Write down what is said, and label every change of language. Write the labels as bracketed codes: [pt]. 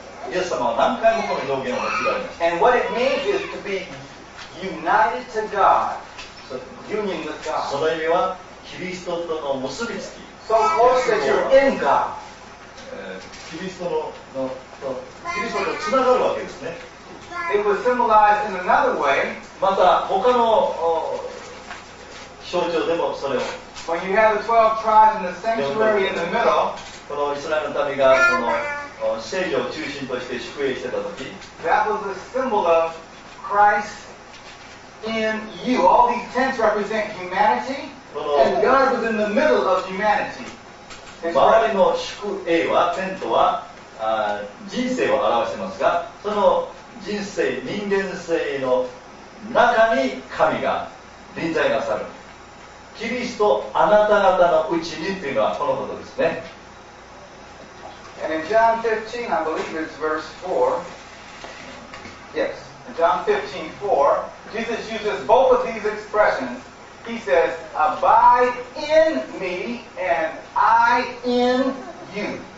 [ja] イエス様は何回もこの表現を使われました。 [en] And what it means is to be united to God. So, union with God. [ja] その意味は、キリストとの結びつき。 [en] So close that you're in God. [ja] キリストの、のキリストとつながるわけですね。 [en] It was symbolized in another way. [ja] また他の象徴でもそれを。 [en] When you have the 12 tribes in the sanctuary in the middle, [ja] このイスラエルの民がこの聖女を中心として祝栄してたとき、 [en] That was a symbol of Christ in you. All these tents represent humanity, and God was in the middle of humanity. [ja] 周りの祝栄はテントは。人生を表してますが、その人生、人間性の中に神が臨在なさる。キリスト、あなた方のうちにというのはこのことですね。 [en] And in John 15, I believe it's verse 4. Yes, in John 15, 4, Jesus uses both of these expressions. He says, abide in me and I in you.